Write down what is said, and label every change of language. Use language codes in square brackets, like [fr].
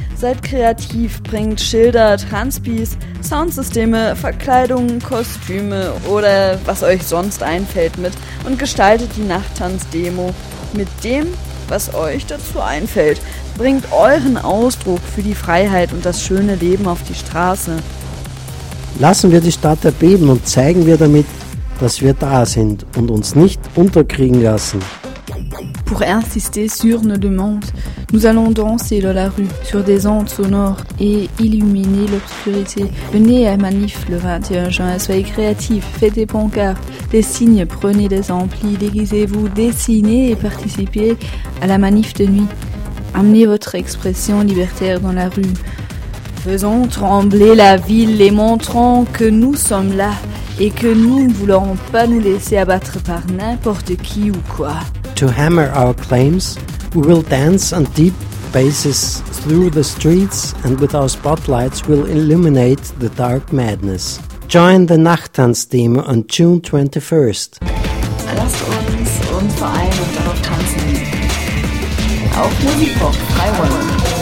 [de] Seid kreativ, bringt Schilder, Transpis, Soundsysteme, Verkleidungen, Kostüme oder was euch sonst einfällt mit und gestaltet die Nachttanzdemo mit dem, was euch dazu einfällt. Bringt euren Ausdruck für die Freiheit und das schöne Leben auf die Straße. Lassen wir die Stadt erbeben und zeigen wir damit, dass wir da sind und uns nicht unterkriegen lassen. [fr] Pour insister sur nos demandes, nous allons danser dans la rue, sur des ondes sonores et illuminer l'obscurité. Venez à Manif le 21 juin, soyez créatifs, faites des pancartes, des signes, prenez des amplis, déguisez-vous, dessinez et participez à la manif de nuit. Amenez votre expression libertaire dans la rue. Faisons trembler la ville et montrons que nous sommes là et que nous ne voulons pas nous laisser abattre par n'importe qui ou quoi. [en] To hammer our claims, we will dance on deep basses through the streets and with our spotlights we'll illuminate the dark madness. Join the Nachttanz-Demo on June 21st. [de] Lasst uns und vereinen und darauf tanzen. Auf Musikbox, Freiräume.